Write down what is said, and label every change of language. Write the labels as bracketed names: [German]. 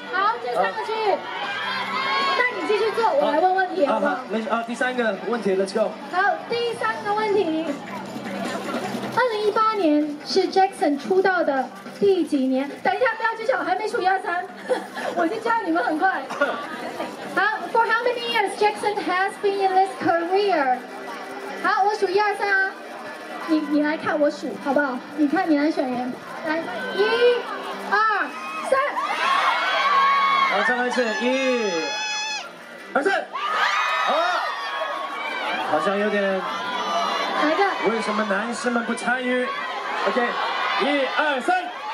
[Chinese] 好，这三个区域，那你继续做，我来问问题，好不好？没事啊，第三个问题 ， [English] Let's go。 [Chinese] 好，第三个问题，2018年是 Jackson 出道的第几年？等一下，不要揭晓，还没数一二三，我就叫你们很快。 [English] 好 ，For how many years Jackson has been in this career？ [Chinese] 好，我数一二三啊。你来看我数好不好？你看你来选人，来，一、二、三。好，再来一次，一、二、三。好，好像有点。哪个？为什么男士们不参与 ？OK， 一、二、三。